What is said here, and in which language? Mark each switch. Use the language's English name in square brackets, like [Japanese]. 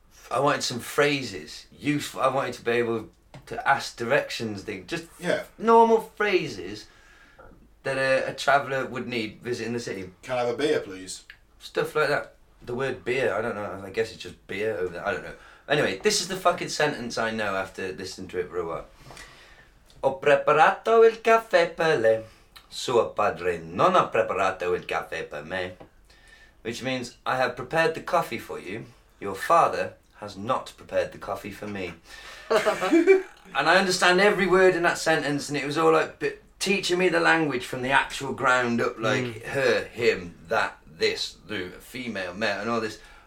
[English] I wanted some phrases, useful. I wanted to be able to ask directions, normal phrases that a traveller would need visiting the city. Can I have a beer, please? Stuff like that. The word beer, I don't know, I guess it's just beer over there, I don't know. Anyway, this is the fucking sentence I know after listening to it for a while. [Italian] Ho preparato il caffè per lei. Suo padre non ha preparato il caffè per me. [English] Which means, I have prepared the coffee for you. Your father has not prepared the coffee for me. And I understand every word in that sentence, and it was all like teaching me the language from the actual ground up, like her, him, that, this, the female, male, and all this.